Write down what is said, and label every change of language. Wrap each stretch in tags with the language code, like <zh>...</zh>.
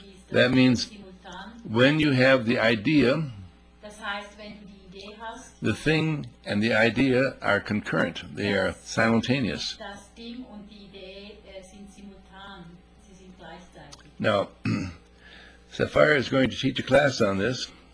<en>That means when you have the idea,</en> <de>das heißt, wenn du die Idee hast,</de> <en>the thing and the idea are concurrent, they are simultaneous.</en> <de>Das Ding und die Idee, sind simultan. Sie sind gleichzeitig.</de> <en>Now, Sapphire is going to teach a class on this.</en>